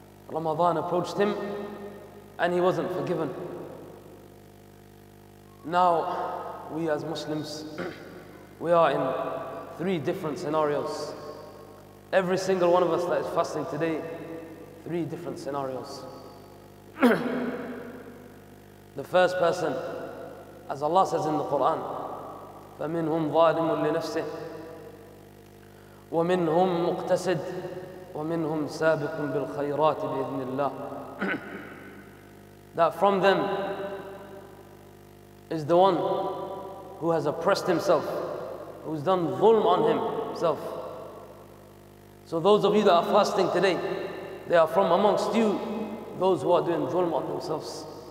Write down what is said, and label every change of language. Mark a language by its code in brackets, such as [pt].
[en] Ramadan approached him and he wasn't forgiven. Now we as Muslims, we are in 3 different scenarios. Every single one of us that is fasting today, 3 different scenarios. The first person, as Allah says in the Quran, [ar] فَمِنْهُمْ ظَالِمٌ لِنَفْسِهِ وَمِنْهُمْ مُقْتَسِدٌ وَمِنْهُمْ سَابِقٌ بِالْخَيْرَاتِ بِإِذْنِ اللَّهِ. [en] That from them is the one who has oppressed himself, who's done ظلم on himself. So those of you that are fasting today, they are from amongst you, those who are doing dhulm on themselves.